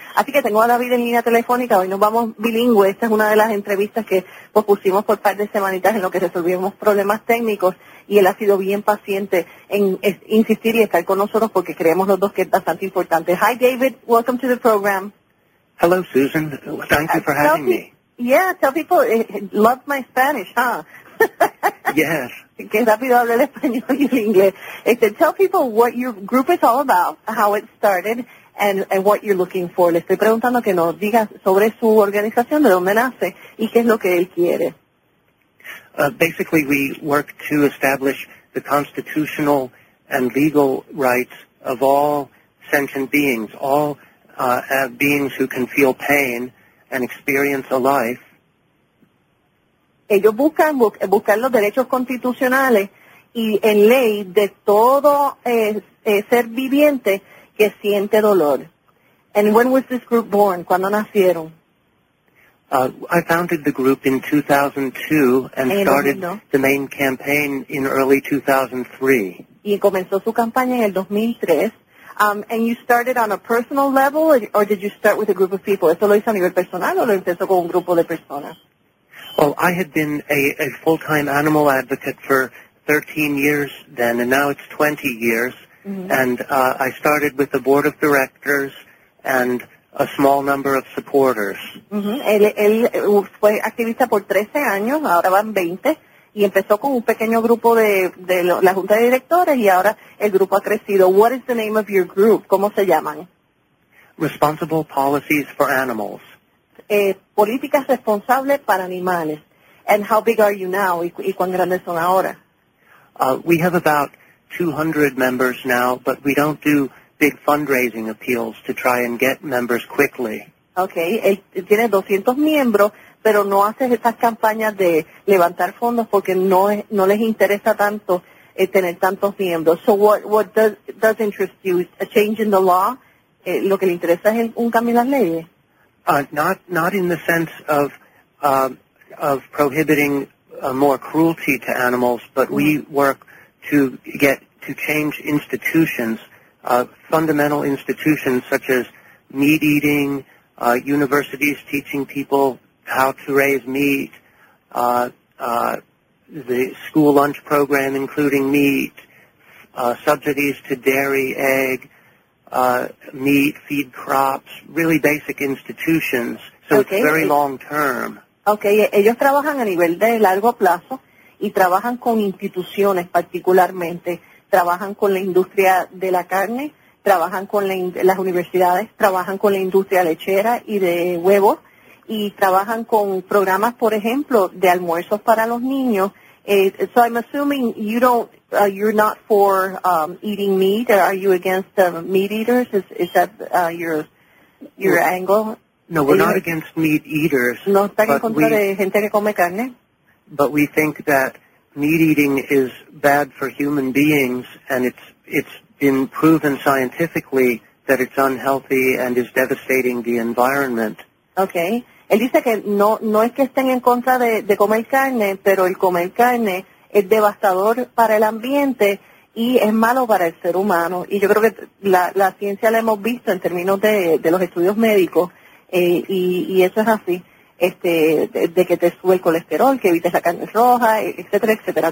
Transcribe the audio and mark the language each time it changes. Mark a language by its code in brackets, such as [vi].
[es] Así que tengo a David en línea telefónica. Hoy nos vamos bilingüe. Esta es una de las entrevistas que pusimos por par de semanitas en lo que resolvimos problemas técnicos, y él ha sido bien paciente en insistir y estar con nosotros porque creemos los dos que es bastante importante. [en] Hi, David. Welcome to the program. Hello, Susan. Thank you for having me. Yeah, tell people, love my Spanish, huh? Yes. [es] Que rápido hablé el español y el inglés. [en] Tell people what your group is all about, how it started, and what you're looking for. [es] Le estoy preguntando que nos diga sobre su organización, de dónde nace, y qué es lo que él quiere. [en] Basically, we work to establish the constitutional and legal rights of all sentient beings, all beings who can feel pain and experience a life. [es] Ellos buscan buscar los derechos constitucionales y en ley de todo ser viviente que siente dolor. [en] And when was this group born? [es] ¿Cuándo nacieron? [en] I founded the group in 2002 and started the main campaign in early 2003. [es] Y comenzó su campaña en el 2003. [en] And you started on a personal level, or did you start with a group of people? [es] ¿Eso lo hizo a nivel personal o lo empezó con un grupo de personas? [en] Well, I had been a full-time animal advocate for 13 years then, and now it's 20 years. Mm-hmm. And I started with a board of directors and a small number of supporters. [es] Él fue activista por 13 años, ahora van 20, y empezó con un pequeño grupo de la junta de directores, y ahora el grupo ha crecido. [en] What is the name of your group? [es] ¿Cómo se llaman? [en] Responsible Policies for Animals. [es] Políticas responsables para animales. [en] And how big are you now? [es] ¿Y cuán grandes son ahora? [en] We have about 200 members now, but we don't do big fundraising appeals to try and get members quickly. [es] Okay, tiene 200 miembros, pero no hace estas campañas de levantar fondos porque no les interesa tanto tener tantos miembros. [en] So what does interest you? A change in the law? [es] Lo que le interesa es un cambio en las leyes. [en] Not in the sense of prohibiting more cruelty to animals, but we work to change institutions, fundamental institutions such as meat eating, universities teaching people how to raise meat, the school lunch program including meat, subsidies to dairy, egg, meat, feed crops, really basic institutions, so okay. It's very long term. [es] Okay, ellos trabajan a nivel de largo plazo y trabajan con instituciones particularmente, trabajan con la industria de la carne, trabajan con las universidades, trabajan con la industria lechera y de huevos, y trabajan con programas, por ejemplo, de almuerzos para los niños. [en] So I'm assuming you don't, you're not for eating meat. Or are you against meat eaters? Is that your well, angle? No, we're not against meat eaters. [es] No, está en contra de gente que come carne. [en] But we think that meat eating is bad for human beings, and it's been proven scientifically that it's unhealthy and is devastating the environment. Okay. [es] Él dice que no es que estén en contra de comer carne, pero el comer carne es devastador para el ambiente y es malo para el ser humano. Y yo creo que la ciencia la hemos visto en términos de los estudios médicos, y eso es así, de que te sube el colesterol, que evites la carne roja, etcétera, etcétera.